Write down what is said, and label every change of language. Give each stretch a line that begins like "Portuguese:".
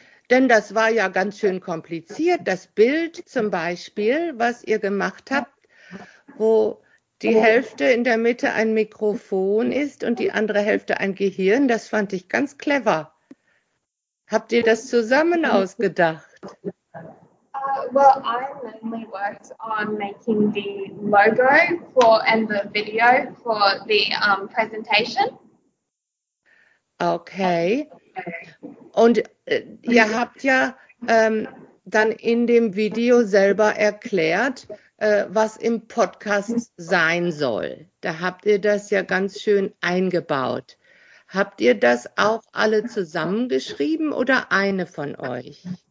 German: Denn das war ja ganz schön kompliziert. Das Bild zum Beispiel, was ihr gemacht habt, wo die Hälfte in der Mitte ein Mikrofon ist und die andere Hälfte ein Gehirn, das fand ich ganz clever. Habt ihr das zusammen ausgedacht?
English: Well, I mainly worked on making the logo for and the video for the presentation.
German: Okay. Und ihr habt ja dann in dem Video selber erklärt, was im Podcast sein soll. Da habt ihr das ja ganz schön eingebaut. Habt ihr das auch alle zusammengeschrieben oder eine von euch?